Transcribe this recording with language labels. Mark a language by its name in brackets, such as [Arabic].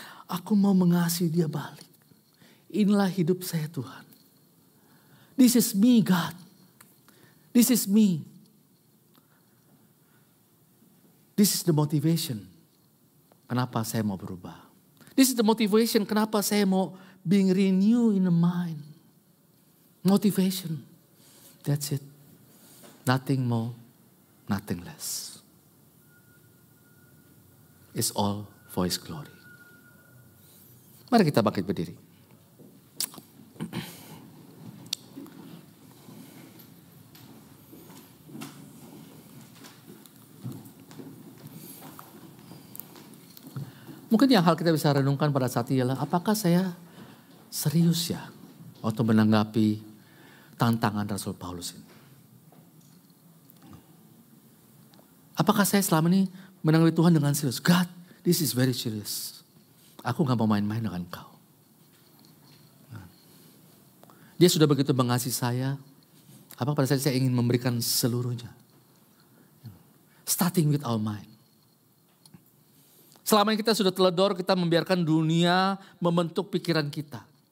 [Indonesian] Aku mau mengasihi dia balik. Inilah hidup saya Tuhan. [English] This is me God. This is me. This is the motivation. [Indonesian] Kenapa saya mau berubah. [English] This is the motivation. [Indonesian] Kenapa saya mau [English] being renewed in the mind. Motivation. That's it. Nothing more. Nothing less. It's all for his glory. [Indonesian] Mari kita bangkit berdiri. Mungkin yang hal kita bisa renungkan pada saat ini ialah apakah saya serius ya untuk menanggapi tantangan Rasul Paulus ini. Apakah saya selama ini menanggapi Tuhan dengan serius? [English] God, this is very serious. [Indonesian] Aku gak mau main-main dengan kau. Dia sudah begitu mengasihi saya. Apa pada saat saya ingin memberikan seluruhnya. [English] Starting with our mind. [Indonesian] Selama ini kita sudah teledor, kita membiarkan dunia membentuk pikiran kita.